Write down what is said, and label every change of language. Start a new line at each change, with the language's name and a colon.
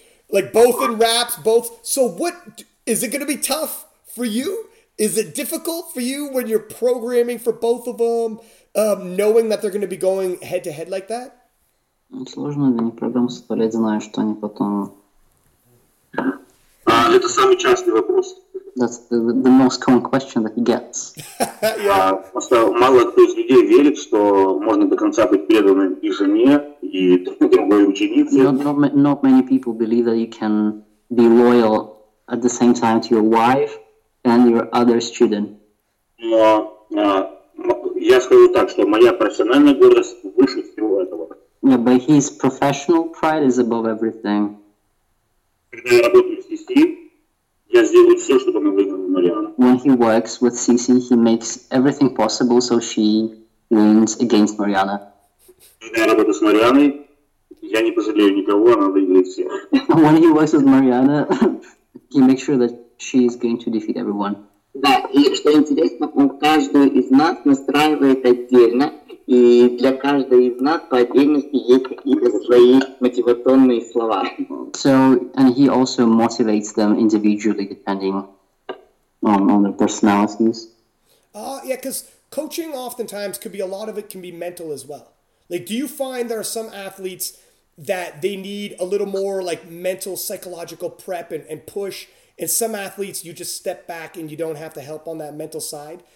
English: Like both in raps, both. So what is it going to be tough for you? Is it difficult for you when you're programming for both of them, knowing that they're going to be going head to head like that?
Russian: Сложно для них программу составлять, зная, что они потом. Это самый частый вопрос.
English: That's the most common question that he gets.
Russian: Просто мало кто из людей верит, что можно до конца быть преданным и жене, и другой ученице.
English: Not many people believe that you can be loyal at the same time to your wife and your other student.
Russian: Но я скажу так, что моя профессиональная гордость выше всего этого.
English: Yeah, but his professional pride is above everything.
Russian: Когда я работаю с Сиси, я сделаю все, чтобы она выиграла Мариану.
English: When he works with Cece, he makes everything possible so she wins against Mariana.
Russian: Когда я работаю с Марианой, я не пожалею никого, она выиграет всех.
English: When he works with Mariana, he makes sure that she is going to defeat everyone.
Russian: Да, и что интересно, он каждую из нас настраивает отдельно, и для каждой из нас по отдельности есть какие-то свои мотивационные слова.
English: So, and he also motivates them individually, depending on their personalities. Yeah, because coaching oftentimes could be, a lot of it can be mental as well. Like, do you find there are some athletes that they need a little more, like, mental, psychological prep and push, and some athletes you just step back and you don't have to help on that mental side?